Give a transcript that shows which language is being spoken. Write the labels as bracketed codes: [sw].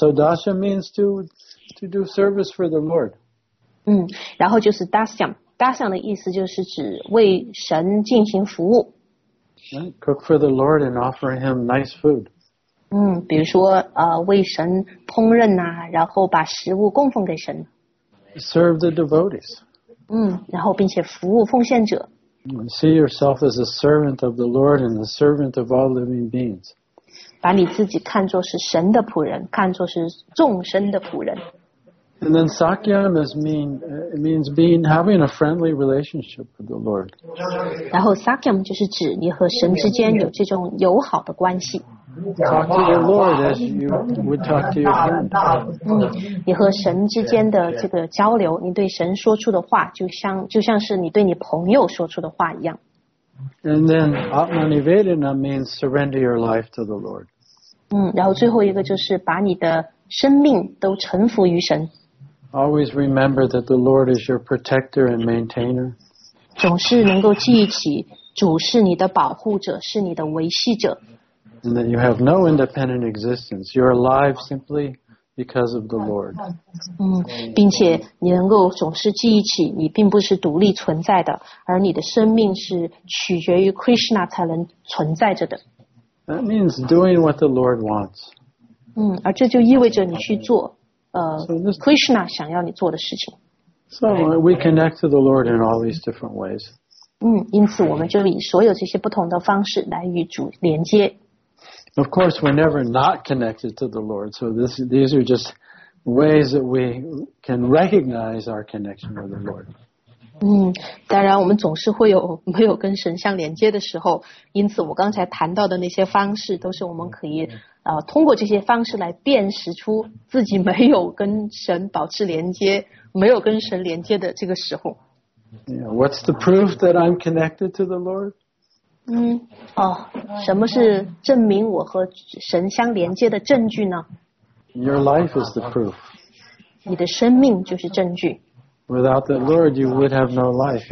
[en] So Dasyam means to do service for the Lord. [zh] 然后就是 Dasyam. Dasyam 的意思就是指为神进行服务。 [en] Cook for the Lord and offer him nice food. [zh] 比如说为神烹饪啊，然后把食物供奉给神。 [en] Serve the devotees. [zh] 然后并且服务奉献者。 [en] See yourself as a servant of the Lord and a servant of all living beings. [zh] 把你自己看作是神的仆人，看作是众生的仆人。 [en] And then Sakyam means being having a friendly relationship with the Lord. [zh] 然后 Sakyam 就是指你和神之间有这种友好的关系。 [en] Talk to your Lord as you would talk to your friend. [zh] 你和神之间的这个交流，你对神说出的话，就像是你对你朋友说出的话一样。 [en] And then Atmanivedana means surrender your life to the Lord. [zh] 然后最后一个就是把你的生命都臣服于神。 [en] Always remember that the Lord is your protector and maintainer. [zh] 总是能够记起主是你的保护者，是你的维系者。 [en] And that you have no independent existence. You're alive simply because of the Lord. [zh] 并且你能够总是记忆起你并不是独立存在的，而你的生命是取决于 Krishna 才能存在着的。 [en] That means doing what the Lord wants. [zh] 而这就意味着你去做Krishna 想要你做的事情。 [en] So we connect to the Lord in all these different ways. [zh] 因此我们就以所有这些不同的方式来与主连接。 [en] Of course, we're never not connected to the Lord. So these are just ways that we can recognize our connection with the Lord. [zh] 当然我们总是会有没有跟神相连接的时候，因此我刚才谈到的那些方式都是我们可以通过这些方式来辨识出自己没有跟神保持连接，没有跟神连接的这个时候。 [en] Yeah, what's the proof that I'm connected to the Lord? [zh] 嗯，哦，什么是证明我和神相连接的证据呢？ [en] Your life is the proof. [zh] 你的生命就是证据。 [en] Without the Lord, you would have no life.